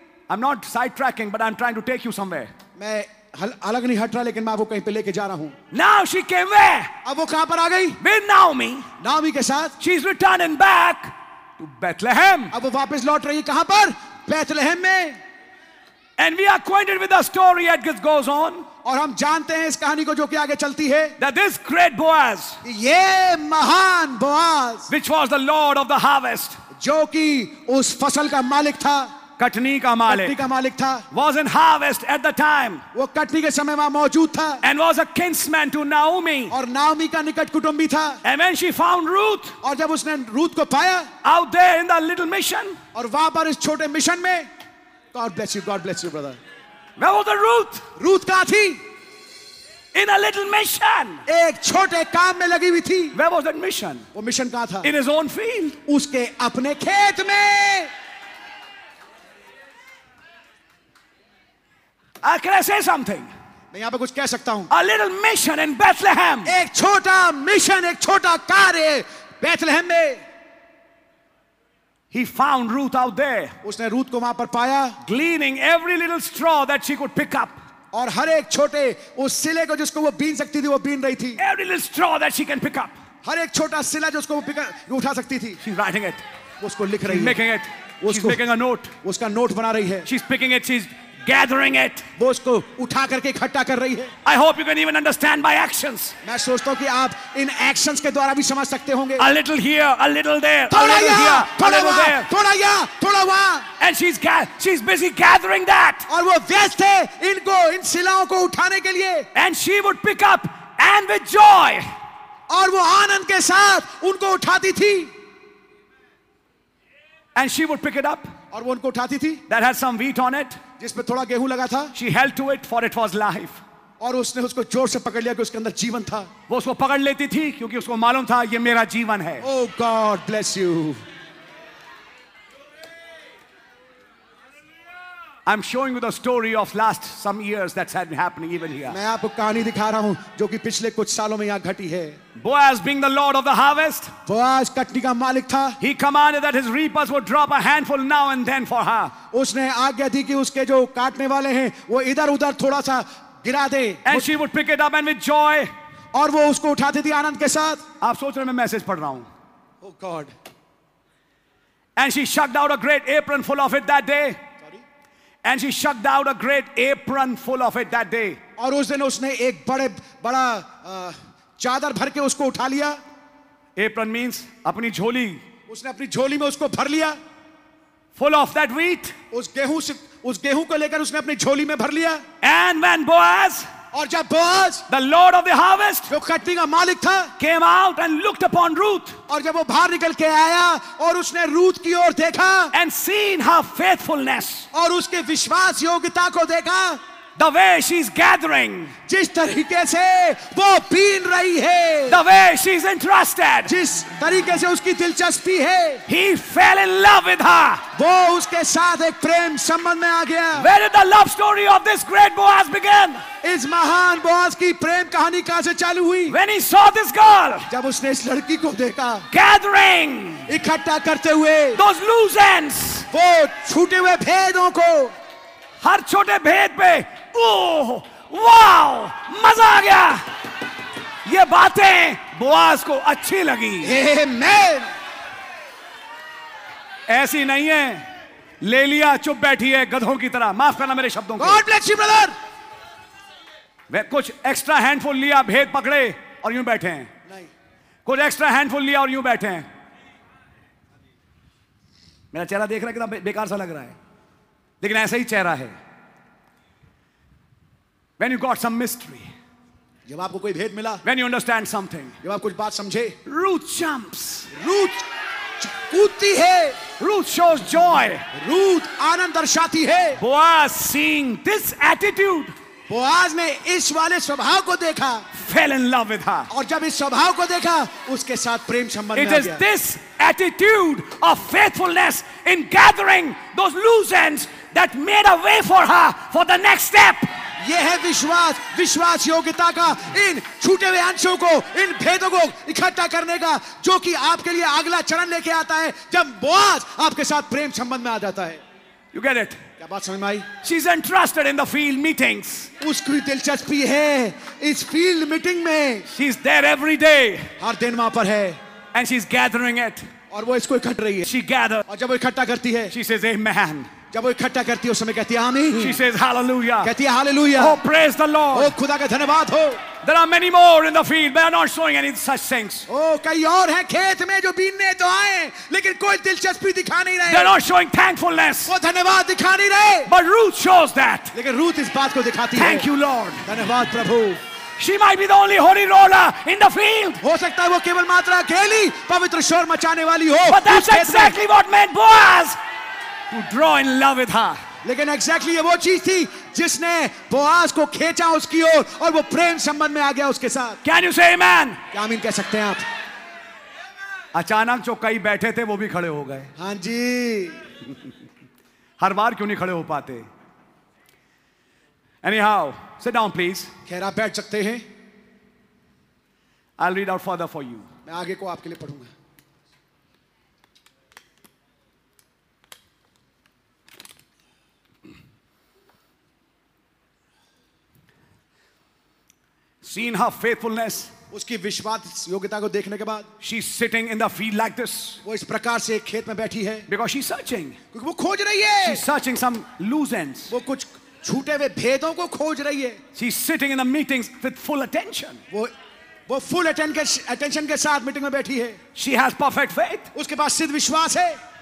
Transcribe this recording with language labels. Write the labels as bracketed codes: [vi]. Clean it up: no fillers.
[en] I'm not sidetracking, but I'm trying to take you somewhere. [hi] मैं अलग नहीं हट रहा लेकिन मैं वो कहीं पे लेके जा रहा हूँ. [en] Now she came where? [hi] अब वो कहाँ पर आ गई? [en] With Naomi. [hi] Naomi के साथ. [en] She's returning back to Bethlehem. [hi] अब वो वापस लौट रही है कहाँ पर? Bethlehem में. [en] And we are acquainted with the story as it goes on. [hi] और हम जानते हैं इस कहानी को जो कि आगे चलती है. [en] That this great Boaz, [hi] ये महान Boaz, [en] which was the Lord of the harvest, [hi] जो कि उस फसल का मालिक था, कटनी का मालिक था, [en] was in harvest at the time, [hi] वो कटनी के समय वहाँ मौजूद था, [en] and was a kinsman to Naomi, [hi] और Naomi का निकट कुटुंबी था, [en] and when she found Ruth, [hi] और जब उसने रूथ को पाया, [en] out there in the little mission, [hi] और वहाँ पर इस छोटे मिशन में. [en] God bless you, brother. Where was the Ruth? [hi] Ruth कहाँ थी? [en] In a little mission. [hi] एक छोटे काम में लगी हुई थी. [en] Where was that mission? [hi] वो मिशन कहाँ था? [en] In his own field. [hi] उसके अपने खेत में. [en] Can I say something? [hi] मैं यहाँ पे कुछ कह सकता हूँ. [en] A little mission in Bethlehem. [hi] एक छोटा मिशन, एक छोटा कार्य Bethlehem में. [en] He found Ruth out there. [hi] उसने रूथ को वहाँ पर पाया. [en] Gleaning every little straw that she could pick up. [hi] और हर एक छोटे उस सिले को जिसको वो बीन सकती थी वो बीन रही थी. [en] Every little straw that she can pick up. [hi] हर एक छोटा सिला जिसको वो उठा सकती थी. [en] She's writing it. [hi] उसको लिख रही है. [en] Making it. She's making a note. [hi] उसका नोट बना रही है. [en] She's picking it. She's gathering it. [hi] वो उसको उठा करके इकट्ठा कर रही है. [en] I hope you can even understand by actions. [hi] मैं सोचता हूँ कि आप इन actions के द्वारा भी समझ सकते होंगे. [en] A little here, a little there. [hi] थोड़ा यहाँ, थोड़ा वहाँ, थोड़ा यहाँ, थोड़ा वहाँ. [en] And she's busy gathering that. [hi] और वो व्यस्त है इनको इन शिलाओं को उठाने के लिए. [en] And she would pick up and with joy. [hi] और वो आनंद के साथ उनको उठाती थी. [en] And she would pick it up. [hi] और वो उनको उठाती थी. [en] That had some wheat on it. [hi] जिसमें थोड़ा गेहूं लगा था. [en] She held to it for it was life. [hi] और उसने उसको जोर से पकड़ लिया कि उसके अंदर जीवन था. वो उसको पकड़ लेती थी क्योंकि उसको मालूम था ये मेरा जीवन है. [en] Oh God bless you. I'm showing you the story of last some years that's had been happening even here. [hi] मैं आपको कहानी दिखा रहा हूँ जो कि पिछले कुछ सालों में यहाँ घटी है. [en] Boaz being the Lord of the harvest. [hi] Boaz Katni का मालिक था. [en] He commanded that his reapers would drop a handful now and then for her. [hi] उसने आज्ञा दी कि उसके जो काटने वाले हैं वो इधर उधर थोड़ा सा गिरा दे. [en] And she would pick it up and with joy. [hi] और वो उसको उठाती थी आनंद के साथ. आप सोच रहे हैं मैं मैसेज पढ़ रहा हूँ. [en] Oh God. And she shucked out a great apron full of it that day. And she shucked out a great apron full of it that day. [hi] और उस दिन उसने एक बड़े बड़ा चादर भर के उसको उठा लिया. [en] Apron means [hi] अपनी झोली. उसने अपनी झोली में उसको भर लिया. [en] Full of that wheat. [hi] उस गेहूं को लेकर उसने अपनी झोली में भर लिया. [en] And when Boaz. [hi] और जब Boaz. [en] The Lord of the harvest. [hi] जो कटनी का मालिक था. [en] Came out and looked upon Ruth. [hi] और जब वो बाहर निकल के आया और उसने रूथ की ओर देखा. [en] And seen her faithfulness. [hi] और उसके विश्वास योग्यता को देखा. [en] The way she's gathering. [hi] जिस तरीके से वो बीन रही है. [en] The way she's interested. [hi] जिस तरीके से उसकी दिलचस्पी है. [en] He fell in love with her. [hi] वो उसके साथ एक प्रेम संबंध में आ गया. [en] Where did the love story of this great Boaz begin? [hi] इस महान Boaz की प्रेम कहानी कहाँ से चालू हुई? [en] When he saw this girl. [hi] जब उसने इस लड़की को देखा. [en] Gathering. [hi] इकट्ठा करते हुए. [en] Those loose ends. [hi] वो छूटे हुए भेदों को. हर छोटे भेद पे ओह वाओ मजा आ गया. ये बातें Boaz को अच्छी लगी. आमेन. ऐसी नहीं है ले लिया चुप बैठी है गधों की तरह. माफ करना मेरे शब्दों को. [en] God bless you brother. [hi] कुछ [en] extra handful [hi] लिया भेद पकड़े और यूं बैठे हैं. नहीं. कुछ [en] extra handful [hi] लिया और यूं बैठे हैं. मेरा चेहरा देख रहा है कितना बेकार सा लग रहा है. लेकिन ऐसा ही चेहरा है. [en] When you got some mystery, [hi] जब आपको कोई भेद मिला, [en] when you understand something, [hi] जब आप कुछ बात समझे, [en] Ruth jumps, [hi] Ruth कूदती है, [en] Ruth shows joy, [hi] Ruth आनंद दर्शाती है. [en] Boaz seeing this attitude, [hi] Boaz ने इस वाले स्वभाव को देखा, [en] fell in love with her, [hi] और जब इस स्वभाव को देखा, उसके साथ प्रेम संबंध आ गया. [en] It is this attitude of faithfulness in gathering those loose ends that made a way for her for the next step. [hi] यह है विश्वास, विश्वास योग्यता का इन छूटे हुए अंशों को, इन भेदों को इकट्ठा करने का, जो कि आपके लिए अगला चरण लेके आता है, जब बोआज आपके साथ प्रेम संबंध में आ जाता है. [en] You get it? [hi] क्या बात समझ में आई? [en] She's interested in the field meetings. [hi] उसकी दिलचस्पी है इस फील्ड मीटिंग में. [en] She's there every day. [hi] हर दिन वहां पर है. [en] And she's gathering it. [hi] और वो इसको इकट्ठा रही है. [en] She gathers. [hi] और जब वो इकट्ठा करती है, [en] She says, Amen. [hi] जब वो इकट्ठा करती है उस समय कहती है आमीन. [en] She says hallelujah. [hi] कहती है hallelujah. [en] Oh praise the Lord. [hi] ओ खुदा का धन्यवाद हो. [en] There are many more in the field, but they are not showing any such things. [hi] Oh, कई और हैं खेत में जो बीनने तो आए, लेकिन कोई दिलचस्पी दिखा नहीं रहे. [en] They are not showing thankfulness. [hi] वो धन्यवाद दिखा नहीं रहे. [en] But Ruth shows that. [hi] लेकिन रूथ इस बात को दिखाती है. [en] Thank you, Lord. [hi] धन्यवाद प्रभु. [en] She might be the only holy roller in the field. [hi] हो सकता है वो केवल मात्र अकेली पवित्र शोर मचाने वाली हो. [en] But that's exactly what made Boaz to draw in love with her. [hi] लेकिन एग्जैक्टली ये वो चीज थी जिसने बोआज को खींचा उसकी ओर और वो प्रेम संबंध में आ गया उसके साथ. [en] Can you say amen? [hi] क्या आमीन कह सकते हैं आप? अचानक जो कई बैठे थे वो भी खड़े हो गए. हाँ जी. हर बार क्यों नहीं खड़े हो पाते? [en] Anyhow sit down please. [hi] खैर आप बैठ सकते हैं. [en] I read out further for you. [hi] मैं आगे को आपके लिए पढ़ूंगा. [en] Seen her faithfulness. [hi] उसकी विश्वास योग्यता को देखने के बाद, [en] she's sitting in the field like this. [hi] वो इस प्रकार से खेत में बैठी है. [en] Because she's searching. [hi] क्योंकि वो खोज रही है. [en] She's searching some loose ends. [hi] वो कुछ छूटे हुए भेदों को खोज रही है. [en] She's sitting in the meetings with full attention. [hi] वो [en] full attention [hi] के साथ मीटिंग में बैठी है. [en] She has perfect faith. [hi] उसके पास सिद्ध विश्वास है.